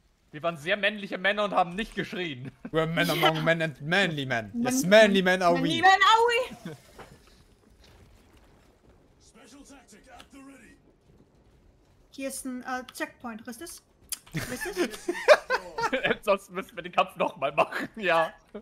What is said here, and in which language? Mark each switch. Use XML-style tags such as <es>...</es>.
<de>Wir waren sehr männliche Männer und haben nicht geschrien.</de> <en>We're men among men and manly men. Yes, manly men are we. Manly men are we. Special tactic at the ready.</en> <de>Hier ist ein Checkpoint, wisst ihr's? Wisst ihr's? Sonst müssen wir den Kampf nochmal machen, ja.</de>